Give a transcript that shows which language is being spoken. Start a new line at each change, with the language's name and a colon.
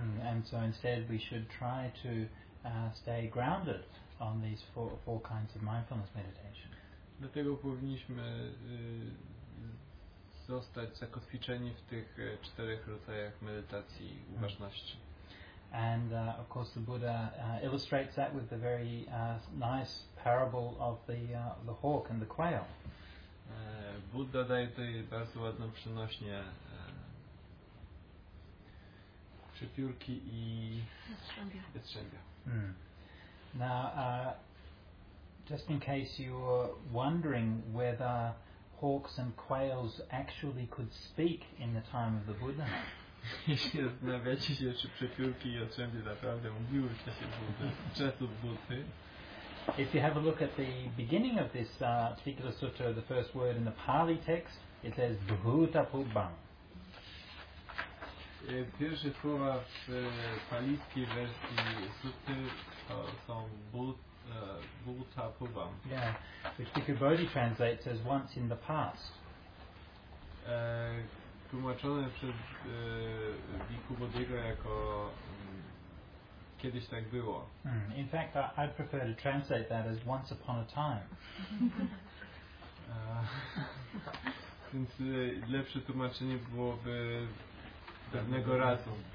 English: And so instead we should try to stay grounded on these four kinds of mindfulness meditation.
Polish: Dlatego powinniśmy zostać zakotwiczeni w tych czterech rodzajach medytacji uważności.
English: And of course the Buddha illustrates that with the very nice parable of the hawk and the quail.
Polish: Buddha daje tutaj bardzo ładną przenośnię przepiórki i jastrzębia.
English: Now just in case you're wondering whether hawks and quails actually could speak in the time of the Buddha.
Polish: Jeśli zastanawiacie się, czy przepiórki i jastrzębie naprawdę mówiły w czasie Buddy.
English: If you have a look at the beginning of this particular sutra, the first word in the Pali text, it says Bhutapubbam.
Polish: Pierwsze słowa w palickiej wersji sutry są Bhutapubbam.
English: Yeah, which Bhikkhu Bodhi translates as once in the past.
Polish: Tłumaczone przez Bhikkhu Bodhiego jako kiedyś tak było.
English: In fact, I prefer to translate that as once upon a time.
Polish: Więc lepsze tłumaczenie byłoby dawnego razu.